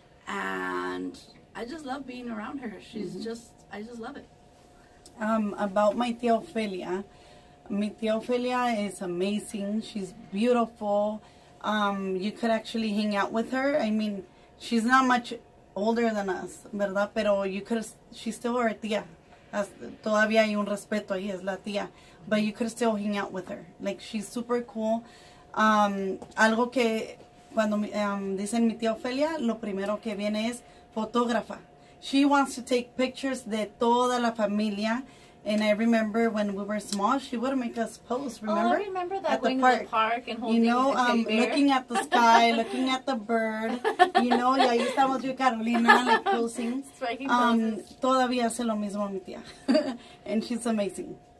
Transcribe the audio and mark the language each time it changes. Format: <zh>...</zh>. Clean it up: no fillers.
<en>And I just love being around her. She's I just love it. About my tia Ophelia. My tia Ophelia is amazing. She's beautiful. You could actually hang out with her. I mean, she's not much older than us,</en> <es>¿verdad? Pero</es> <en>she's still our tia.</en> <es>Todavía hay un respeto ahí, es la tia.</es> <en>But you could still hang out with her. Like, she's super cool.</en> <es>Algo que, cuando dicen mi tia Ophelia, lo primero que viene es fotógrafa.</es> <en>She wants to take pictures</en> <es>de toda la familia.</es> <en>And I remember when we were small, she would make us pose, remember? Oh, I remember that, going to the park and holding the teddy bear. Looking at the sky, looking at the bird, you know,</en> <es>y ahí estamos yo y Carolina,</es> <en>like, posing. Striking poses.</en> <es>Todavía hace lo mismo mi tía.</es> <en>And she's amazing.</en>